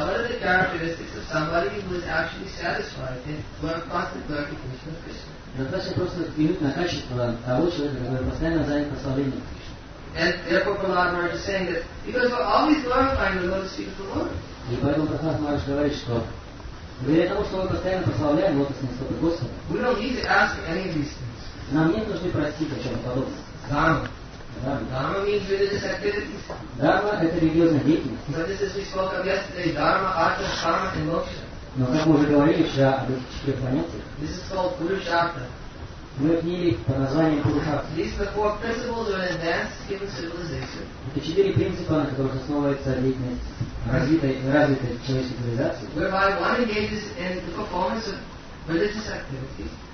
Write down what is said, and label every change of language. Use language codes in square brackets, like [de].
[en] What are the characteristics of somebody who is actually satisfied in constant glorification of Krishna? [ru] Достаточно просто взглянуть на качество того человека, который постоянно занят прославлением Кришны. [en] And therefore Prahlad Maharaj is saying that because we're always glorifying the lotus feet of the Lord. [ru] И поэтому Прохлад Махарадж говорит, что для того, что мы постоянно прославляем лотосные стопы Господа, [en] we don't need to ask for any of these things. [ru] Нам нет нужды просить о чем-то подобном. [en] Dharma means religious activities. [ru] Dharma – это религиозная деятельность. [en] But this is we spoke of yesterday. Dharma, artha, karma, and moksha. [ru] Но как мы уже говорили вчера об этих четырех понятиях, [en] this is called Purushartha. [ru] Мы обняли под названием Purushartha. [en] These are the four principles of an advanced human civilization. [ru] Это четыре принципа, на которых основывается деятельность развитой человеческой цивилизации. [en] Whereby one engages in the performance of religious activities.